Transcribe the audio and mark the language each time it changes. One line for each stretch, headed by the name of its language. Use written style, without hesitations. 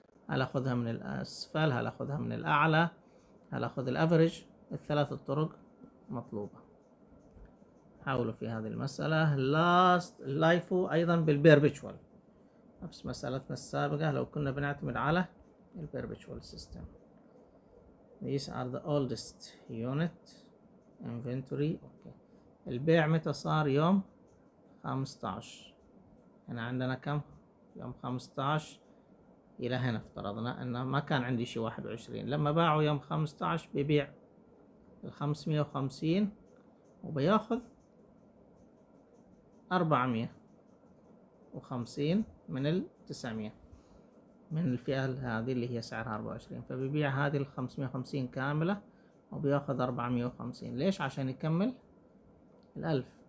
Arabic: هل اخذها من الاسفل؟ هل اخذها من الاعلى؟ هل اخذ الافرج؟ الثلاث الطرق مطلوبة. حاولوا في هذه المسألة. لاست لايفو ايضا بالبيربيتشوال، نفس مسألتنا السابقة لو كنا بنعتمد على البيربيتشوال سيستم.
English: These are the oldest unit inventory.
Arabic: اوكي البيع متى صار؟ يوم 15. هنا عندنا كم؟ يوم 15 الى هنا افترضنا انه ما كان عندي شيء 21، لما باعوا يوم 15 بيبيع ال 550 وبياخذ 450 من ال 900 من الفئة هذه اللي هي سعرها 24، فبيبيع هذه ال 550 كاملة وبياخذ 450. ليش؟ عشان يكمل ال 1000.